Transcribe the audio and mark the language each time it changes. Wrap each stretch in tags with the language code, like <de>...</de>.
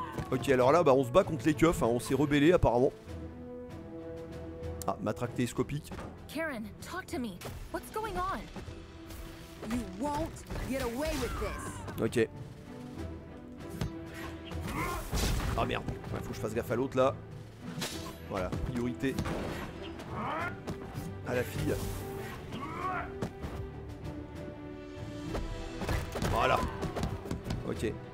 <fr>Ok, alors là, bah, on se bat contre les keufs, hein, on s'est rebellé apparemment. Ah, matraque télescopique.</fr> <en>Karen, talk to me. What's going on? You won't get away with this. Ok.</en> <fr>Ah merde, ouais, faut que je fasse gaffe à l'autre là. Voilà, priorité à la fille. Voilà. Ok.</fr>